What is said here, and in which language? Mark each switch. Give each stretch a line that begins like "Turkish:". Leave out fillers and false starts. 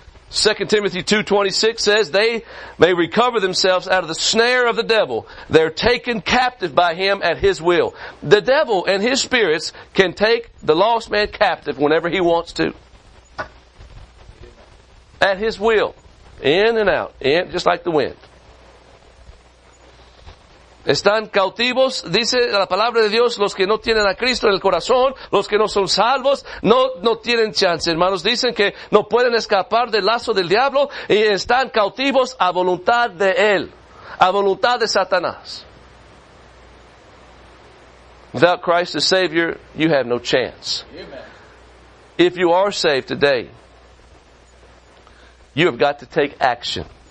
English: 2 Timothy 2:26 says, they may recover themselves out of the snare of the devil. They're taken captive by him at his will. The devil and his spirits can take the lost man captive whenever he wants to. At his will. In and out. In, just like the wind.
Spanish: Están cautivos, dice la palabra de Dios, los que no tienen a Cristo en el corazón, los que no son salvos, no tienen chance, hermanos. Dicen que no pueden escapar del lazo del diablo y están cautivos a voluntad de él, a voluntad de Satanás.
English: Without Christ as Savior, you have no chance. Amen. If you are saved today, you have got to take action.